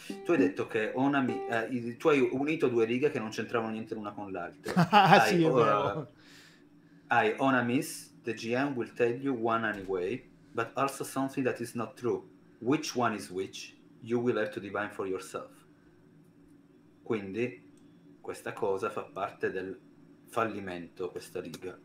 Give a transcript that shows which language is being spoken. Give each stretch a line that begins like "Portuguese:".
Italian: Tu hai detto che tu hai unito due righe che non c'entravano niente l'una con l'altra. Ah, sì, è vero.
English: Hai on a miss, the GM will tell you one anyway, but also something that is not true. Which one is which? You will have to divine for yourself.
Italian: Quindi questa cosa fa parte del fallimento, questa riga.